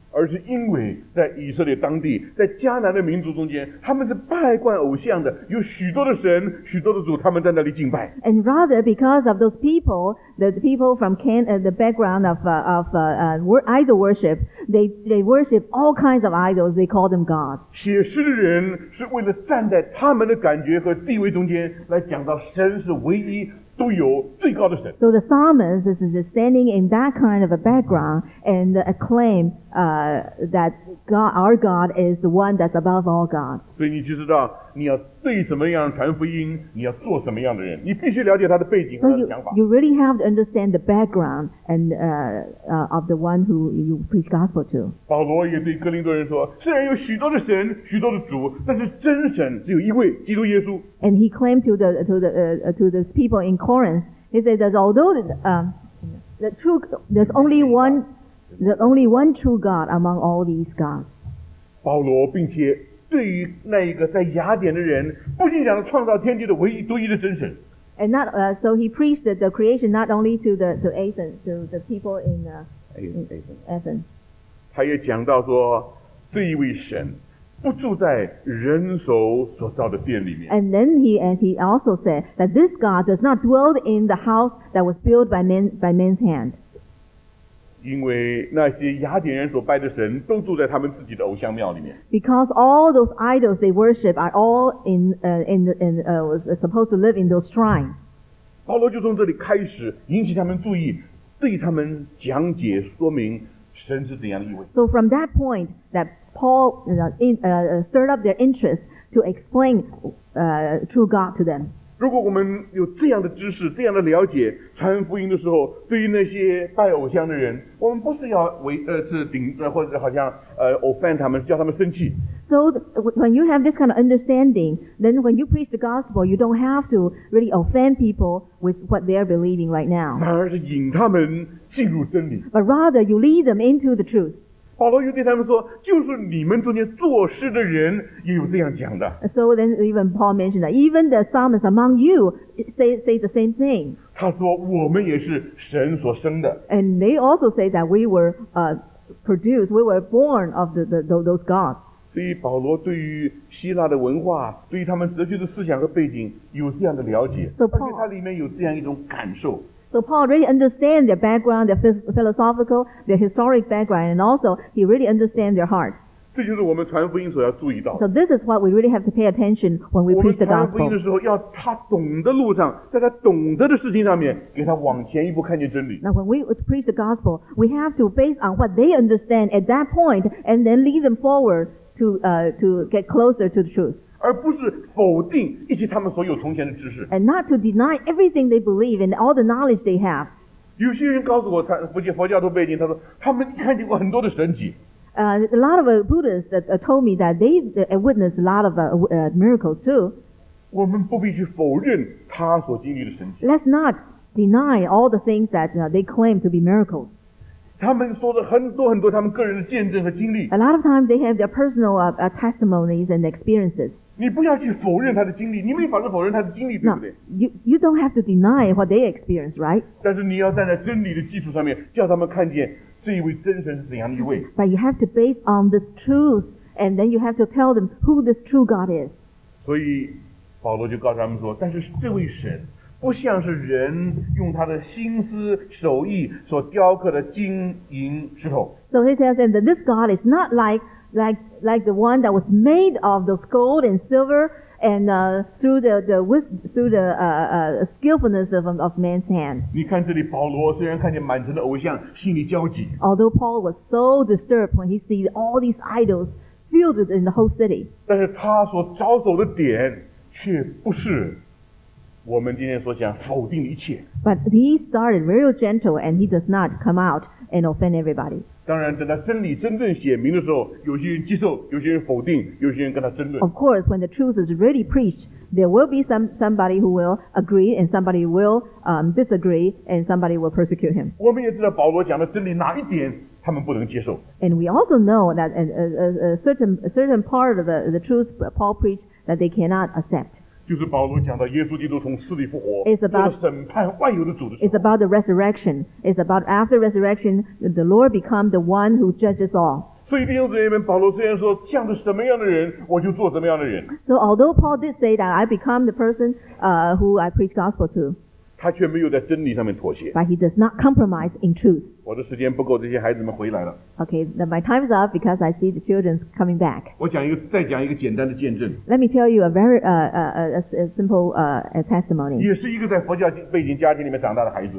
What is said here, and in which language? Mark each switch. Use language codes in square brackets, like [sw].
[zh] 而是因为在以色列当地，在迦南的民族中间，他们是拜惯偶像的，有许多的神，许多的主，他们在那里敬拜。 [en] And rather because of those people, the people from Canaan, the background of idol worship, they worship all kinds of idols. They call them gods. [zh] 写诗的人是为了站在他们的感觉和地位中间来讲到神是唯一。都有最高的神。 [en] So the psalmist is standing in that kind of a background and acclaim that God, our God is the one that's above all God. [zh] 所以你就知道你要对怎么样传福音，你要做什么样的人，你必须了解他的背景和他的想法。 [en] So you really have to understand the background and of the one who you preach gospel to. [zh] 保罗也对哥林多人说，虽然有许多的神，许多的主，但是真神只有一位，基督耶稣。 [en] And he claimed to the people in Corinth, he said that although there's only one true God among all these gods. [zh] 保罗并且对于那一个在雅典的人，不仅讲了创造天地的唯一独一的真神。 [en] And not so he preached the creation not only to Athens, to the people in Athens. [zh] 他也讲到说，这一位神不住在人手所造的殿里面。 [en] And then he also said that this God does not dwell in the house that was built by man's hand. [zh] 因为那些雅典人所拜的神都住在他们自己的偶像庙里面。 [en] Because all those idols they worship are all supposed to live in those shrines. [zh] 保罗就从这里开始引起他们注意，对他们讲解说明神是怎样的一位。 [en] So from that point that Paul stirred up their interest to explain true God to them. [zh] 如果我们有这样的知识，这样的了解，传福音的时候，对于那些拜偶像的人，我们不是要或者好像offend 他们，叫他们生气。 [en] So when you have this kind of understanding, then when you preach the gospel, you don't have to really offend people with what they are believing right now. [zh] 反而是引他们进入真理。 [en] But rather you lead them into the truth. [zh] 保罗又对他们说，就是你们中间作诗的人也有这样讲的。 [en] So then even Paul mentioned that even the psalmist among you say the same thing. [zh] 他说我们也是神所生的。 [en] And they also say that we were produced, we were born of those gods. [zh] 所以保罗对于希腊的文化，对于他们哲学的思想和背景有这样的了解，而且他里面有这样一种感受。 [en] So Paul really understands their background, their philosophical, their historic background, and also he really understands their heart. [zh] 这就是我们传福音所要注意到。 [en] So this is what we really have to pay attention when we preach the gospel. [zh] 我们传福音的时候，要他懂得路上，在他懂得的事情上面，给他往前一步看见真理。 [en] Now when we preach the gospel, we have to base on what they understand at that point, and then lead them forward to get closer to the truth. [zh] 而不是否定以及他们所有从前的知识。 [en] And not to deny everything they believe and all the knowledge they have. [zh] 有些人告诉我，佛教徒背景，他说他们看见过很多的神迹。 [en] A lot of Buddhists told me that they witnessed a lot of miracles too. [zh] 我们不必去否认他所经历的神迹。 [en] Let's not deny all the things that they claim to be miracles. [zh] 他们说的很多很多他们个人的见证和经历。 [en] A lot of times they have their personal testimonies and experiences. [zh] 你不要去否认他的经历，你没法子否认他的经历，对不对？ [en] You don't have to deny what they experience, right? [zh] 但是你要站在真理的基础上面，叫他们看见这一位真神是怎样的一位。 [en] But you have to base on this truth, and then you have to tell them who this true God is. [zh] 所以保罗就告诉他们说，但是这位神不像是人用他的心思手艺所雕刻的金银石头。 [en] So he says that this God is not like the one that was made of those gold and silver and through the skillfulness of man's hand. [zh] 你看这里保罗虽然看见满城的偶像，心里焦急。 [en] Although Paul was so disturbed when he sees all these idols filled in the whole city. [zh] 但是他所着手的点却不是。我们今天所讲否定一切。 [en] But he started very gentle and he does not come out and offend everybody. [zh] 当然等到真理真正显明的时候，有些人接受，有些人否定，有些人跟他争论。 [en] Of course, when the truth is really preached, there will be somebody who will agree and somebody will disagree and somebody will persecute him. [zh] 我们也知道保罗讲的真理哪一点他们不能接受。 [en] And we also know that a certain part of the truth Paul preached that they cannot accept. [zh] 就是保罗讲到耶稣基督从死里复活，做了审判万有的主的时候。 [en] It's about the resurrection. It's about after resurrection, the Lord becomes the one who judges all. [zh] 所以弟兄姊妹们，保罗虽然说这样的什么样的人，我就做什么样的人。 [en] So although Paul did say that I become the person, who I preach gospel to. [zh] 他却没有在真理上面妥协。 [en] But he does not compromise in truth. [zh] 我的时间不够，这些孩子们回来了。 [en] Okay, then my time is up because I see the children coming back. [zh] 我讲一个，再讲一个简单的见证。 [en] Let me tell you a very simple testimony. [zh] 也是一个在佛教背景家庭里面长大的孩子。